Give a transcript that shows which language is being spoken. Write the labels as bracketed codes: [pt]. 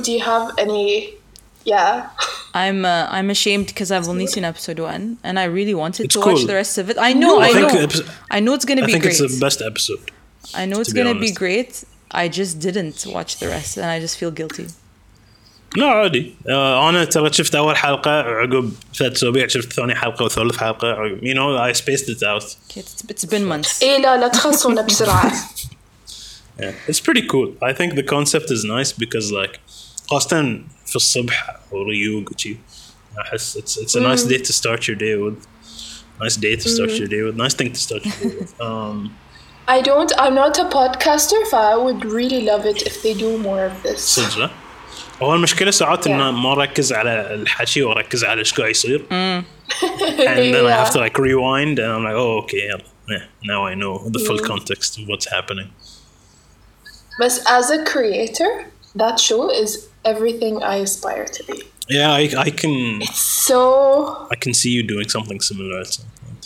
[en] Do you have any? Yeah. I'm ashamed because I've only seen episode 1 and I really wanted to watch the rest of it. I know it's going to be great. I think it's the best episode. I know it's going to be great. I just didn't watch the rest and I just feel guilty. No, [ar] عادي. أنا ترى شفت أول حلقة عقب ثلاث أسابيع شفت ثاني حلقة وثالث حلقة. [en] You know, I spaced it out. It's been months. [ar] إيه لا تخلصونا بسرعة. [en] Yeah, it's pretty cool. I think the concept is nice because [ar] قصتاً في الصبح وريوق وشي. [en] I guess it's a nice day to start your day with. Nice day to start your day with. Nice thing to start your day with. I'm not a podcaster, but I would really love it if they do more of this. [ar] صدق؟ هو المشكلة ساعات إن ما ركز على الحكي وركز على إيش قاعد يصير. [en] And then I have to rewind and I'm like, oh, okay, yeah, now I know the full context of what's happening. But as a creator, that show is everything I aspire to be. Yeah, I can. It's so. I can see you doing something similar at some point.